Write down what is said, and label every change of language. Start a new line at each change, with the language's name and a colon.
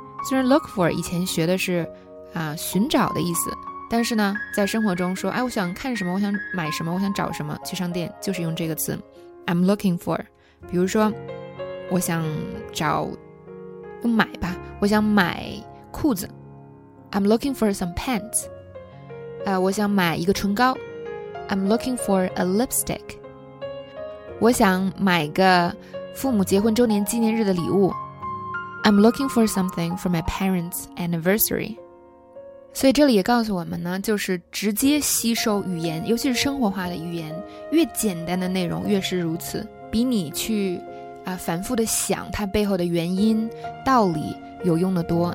Chinese: 虽然 look for 以前学的是寻找的意思，但是呢，在生活中说，哎，我想看什么，我想买什么，我想找什么，去商店就是用这个词
English: I'm looking for。
Chinese: 比如说我想找，用买吧，我想买裤子，
English: I'm looking for some pants。
Chinese: 我想买一个唇膏，
English: I'm looking for a lipstick。
Chinese: 我想买个父母结婚周年纪念日的礼物，
English: I'm looking for something for my parents' anniversary。
Chinese: 所以这里也告诉我们呢，就是直接吸收语言，尤其是生活化的语言，越简单的内容越是如此，比你去反复的想它背后的原因道理有用的多。